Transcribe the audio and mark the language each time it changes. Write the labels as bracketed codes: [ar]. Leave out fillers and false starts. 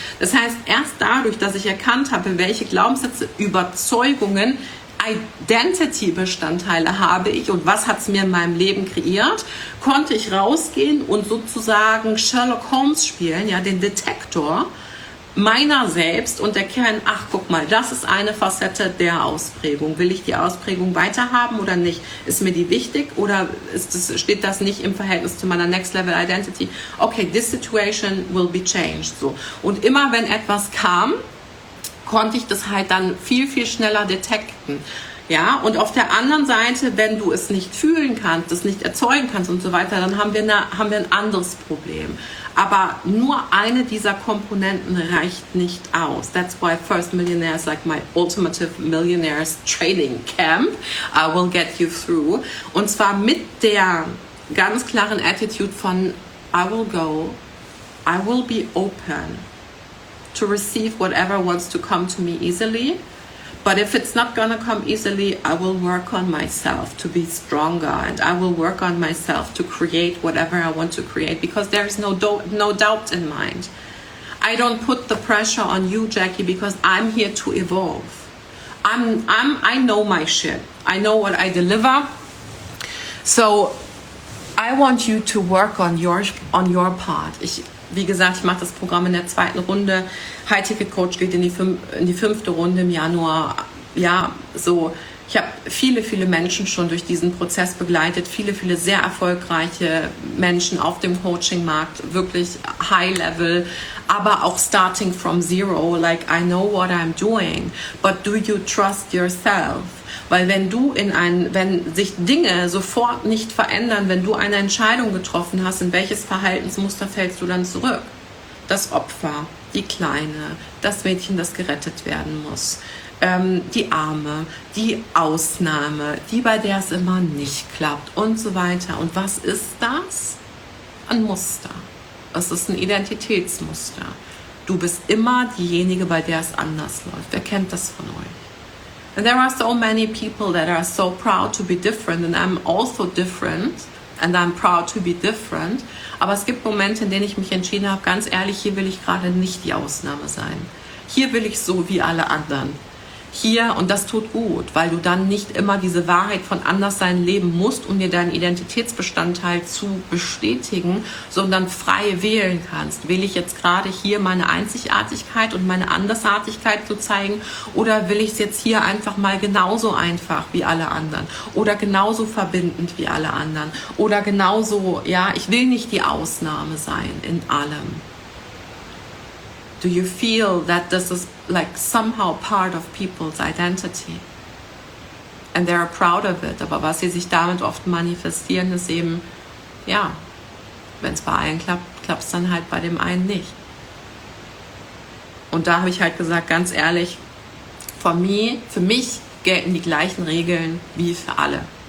[de] Das heißt, erst dadurch, dass ich erkannt habe, welche Glaubenssätze, Überzeugungen, Identity-Bestandteile habe ich und was hat es mir in meinem Leben kreiert, konnte ich rausgehen und sozusagen Sherlock Holmes spielen, ja, den Detektor meiner selbst und erkennen, ach, guck mal, das ist eine Facette der Ausprägung. Will ich die Ausprägung weiterhaben oder nicht? Ist mir die wichtig oder steht das nicht im Verhältnis zu meiner Next Level Identity? [en] Okay, this situation will be changed. So. [de] Und immer wenn etwas kam, konnte ich das halt dann viel, viel schneller detekten. Ja, und auf der anderen Seite, wenn du es nicht fühlen kannst, es nicht erzeugen kannst und so weiter, dann haben wir ein anderes Problem. Aber nur eine dieser Komponenten reicht nicht aus. [en] That's why First Millionaire is like my ultimate millionaire's training camp. I will get you through. [de] Und zwar mit der ganz klaren Attitude von [en] I will go, I will be open to receive whatever wants to come to me easily, but if it's not gonna come easily, I will work on myself to be stronger and I will work on myself to create whatever I want to create, because there is no doubt in mind. I don't put the pressure on you, Jackie, because I'm here to evolve. I know my shit. I know what I deliver. So I want you to work on your part. [de] Ich, wie gesagt, ich mache das Programm in der zweiten Runde. High Ticket Coach geht in die fünfte Runde im Januar. Ja, so. Ich habe viele, viele Menschen schon durch diesen Prozess begleitet. Viele, viele sehr erfolgreiche Menschen auf dem Coaching-Markt. Wirklich [en] high level. [de] Aber auch [en] starting from zero. Like, I know what I'm doing. But do you trust yourself? [de] Weil wenn du in ein, wenn sich Dinge sofort nicht verändern, wenn du eine Entscheidung getroffen hast, in welches Verhaltensmuster fällst du dann zurück? Das Opfer, die Kleine, das Mädchen, das gerettet werden muss, die Arme, die Ausnahme, die, bei der es immer nicht klappt und so weiter. Und was ist das? Ein Muster. Es ist ein Identitätsmuster. Du bist immer diejenige, bei der es anders läuft. Wer kennt das von euch? [en] And there are so many people that are so proud to be different, and I'm also different, and I'm proud to be different. [de] Aber es gibt Momente, in denen ich mich entschieden habe, ganz ehrlich, hier will ich gerade nicht die Ausnahme sein. Hier will ich so wie alle anderen. Hier, und das tut gut, weil du dann nicht immer diese Wahrheit von Anderssein leben musst, um dir deinen Identitätsbestandteil zu bestätigen, sondern frei wählen kannst. Will ich jetzt gerade hier meine Einzigartigkeit und meine Andersartigkeit zu zeigen, oder will ich es jetzt hier einfach mal genauso einfach wie alle anderen oder genauso verbindend wie alle anderen oder genauso, ja, ich will nicht die Ausnahme sein in allem. [en] Do you feel that this is like somehow part of people's identity? And they are proud of it. [de] Aber was sie sich damit oft manifestieren, ist eben, ja, wenn es bei allen klappt, klappt es dann halt bei dem einen nicht. Und da habe ich halt gesagt, ganz ehrlich, für mich gelten die gleichen Regeln wie für alle.